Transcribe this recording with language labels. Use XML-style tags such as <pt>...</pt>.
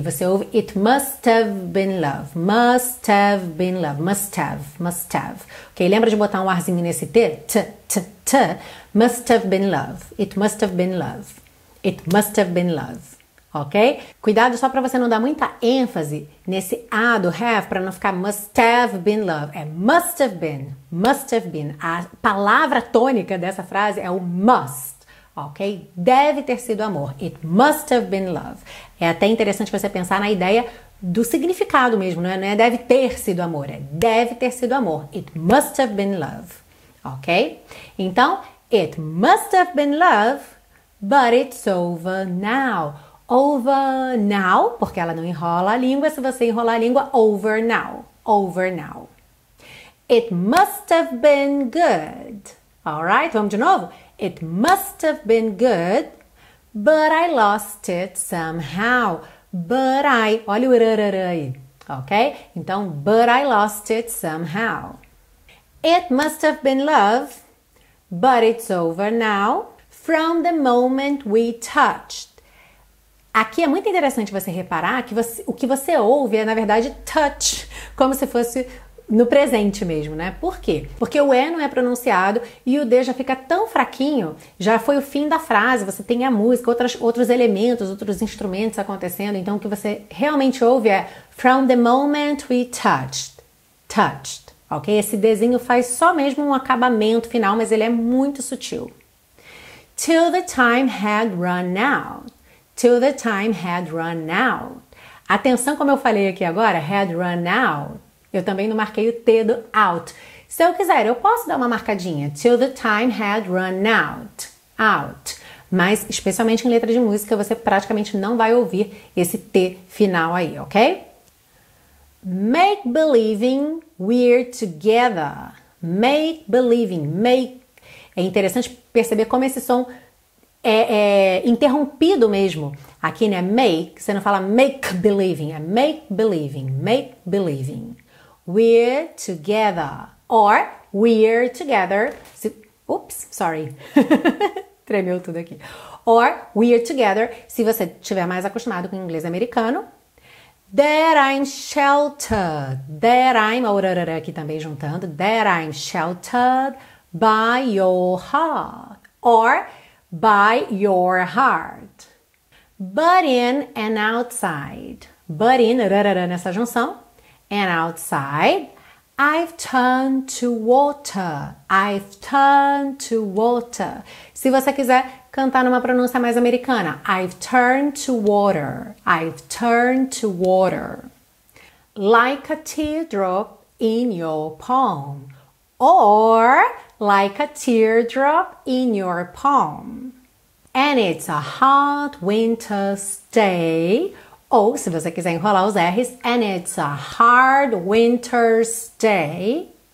<pt>Você ouve</pt> <en>it must have been love. Must have been love. Must have. Must have. Ok?</en> <pt>Lembra de botar um arzinho nesse T?</pt> <en>T, T, T. Must have been love. It must have been love. It must have been love. Ok?</en> <pt>Cuidado só para você não dar muita ênfase nesse A do have, para não ficar</pt> <en>must have been love.</en> <pt>É</pt> <en>must have been, must have been.</en> <pt>A palavra tônica dessa frase é o must, ok? Deve ter sido amor.</pt> <en>It must have been love.</en> <pt>É até interessante você pensar na ideia do significado mesmo, não é? Não é deve ter sido amor, é deve ter sido amor.</pt> <en>It must have been love, ok? Então, it must have been love, but it's over now. Over now,</en> <pt>porque ela não enrola a língua. Se você enrolar a língua,</pt> <en>over now. Over now. It must have been good. Alright,</en> <pt>vamos de novo?</pt> <en>It must have been good, But I lost it somehow. But I.</en> <pt>Olha o rararã aí, ok? Então,</pt> <en>but I lost it somehow. It must have been love, but it's over now. From the moment we touched.</en> <pt>Aqui é muito interessante você reparar que o que você ouve é, na verdade, touch, como se fosse no presente mesmo, né? Por quê? Porque o E não é pronunciado e o D já fica tão fraquinho, já foi o fim da frase, você tem a música, outros elementos, outros instrumentos acontecendo, então o que você realmente ouve é</pt> <en>from the moment we touched.</en> <pt>Touched. Ok? Esse desenho faz só mesmo um acabamento final, mas ele é muito sutil.</pt> <en>Till the time had run out. Till the time had run out.</en> <pt>Atenção, como eu falei aqui agora,</pt> <en>had run out.</en> <pt>Eu também não marquei o T do out. Se eu quiser, eu posso dar uma marcadinha.</pt> <en>Till the time had run out. Out.</en> <pt>Mas, especialmente em letra de música, você praticamente não vai ouvir esse T final aí, ok?</pt> <en>Make believing we're together. Make believing. Make.</en> <pt>É interessante perceber como esse som é interrompido mesmo. Aqui, né? Make. Você não fala</pt> <en>make believing.</en> <pt>É</pt> <en>make believing. Make believing. We're together. Or we're together. Ups, sorry.</en> <pt>Tremeu tudo aqui.</pt> <en>Or we're together.</en> <pt>Se você estiver mais acostumado com inglês americano.</pt> <en>That I'm sheltered, that I'm,</en> <pt>o rarara aqui também juntando,</pt> <en>that I'm sheltered by your heart, or by your heart. But in and outside, but in,</en> <pt>rarara nessa junção,</pt> <en>and outside, I've turned to water, I've turned to water.</en> <pt>Se você quiser cantar numa pronúncia mais americana.</pt> <en>I've turned to water. I've turned to water. Like a teardrop in your palm. Or like a teardrop in your palm. And it's a hot winter's day.</en> <pt>Ou, se você quiser enrolar os R's,</pt> <en>and it's a hard winter's day.</en>